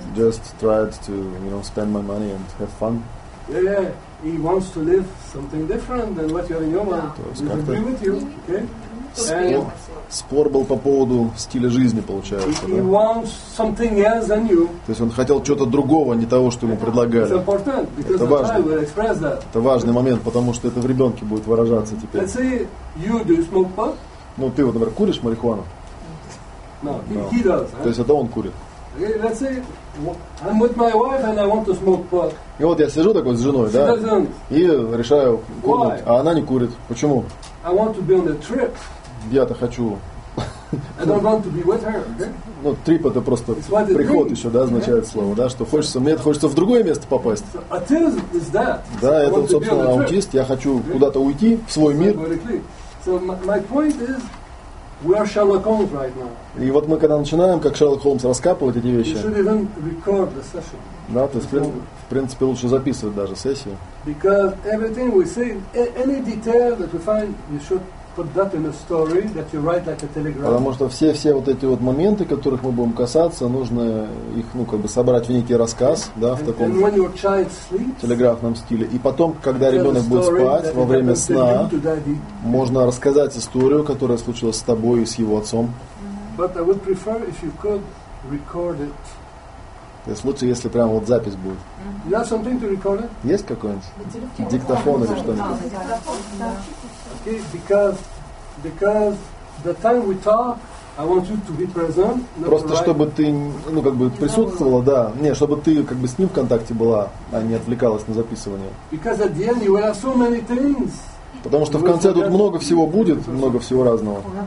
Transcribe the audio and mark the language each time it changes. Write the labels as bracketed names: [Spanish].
[English] just tried to, you know, spend my money and have fun. Yeah, he wants to live something different than what you're in your mind. Yeah. We agree with you, okay? [Russian] Спор был по поводу стиля жизни, получается. [English] He wants something else than you. [Russian] То есть он хотел чего-то другого, не того, что ему предлагали. [English] It's important because [Russian] это важно. [English] The child will express that. [Russian] Это важный момент, потому что это в ребенке будет выражаться теперь. [English] Let's say you do smoke pot. [Russian] Ну, ты вот, например, куришь марихуану? [English] No, he does. [Russian] То есть это он курит. [English] Okay, let's say I'm with my wife and I want to smoke pot. [Russian] И вот я сижу такой с женой, да? [English] She doesn't. [Russian] И решаю курить. А она не курит. Почему? [English] I want to be on a trip. [Russian] Я-то хочу. [English] I don't want to be with her, okay? [Russian] Ну, трип это просто приход еще, да, означает слово, да, что хочется, мне хочется в другое место попасть. [English] Autism is that. [Russian] Да, это, собственно, аутист. Я хочу куда-то уйти, в свой мир. [English] So my point is, we are Sherlock Holmes right now. [Russian] И вот мы когда начинаем, как Шерлок Холмс, раскапывать эти вещи. [English] We should even record the session. [Russian] Да, то есть в принципе лучше записывать даже сессию. [English] Because everything we say, any detail that we find, you should put that in a story that you write like a telegram. [Russian] Потому что все вот эти вот моменты, которых мы будем касаться, нужно их, ну, как бы собрать в некий рассказ, да, в таком телеграфном стиле. И потом, когда ребенок будет спать во время сна, можно рассказать историю, которая случилась с тобой и с его отцом. [English] But I would prefer if you could record it. [Russian] То есть лучше, если прямо вот запись будет. [English] You have something to record it? [Russian] Есть какой-нибудь? Диктофон или что-нибудь? [English] Because the time we talk, I want you to be present. [Russian] Просто чтобы ты, ну, как бы присутствовала, да. Не, чтобы ты как бы с ним в контакте была, а не отвлекалась на записывание. [English] Because at the end you will have so many things. [Russian] Потому что в конце тут много всего будет, много всего разного.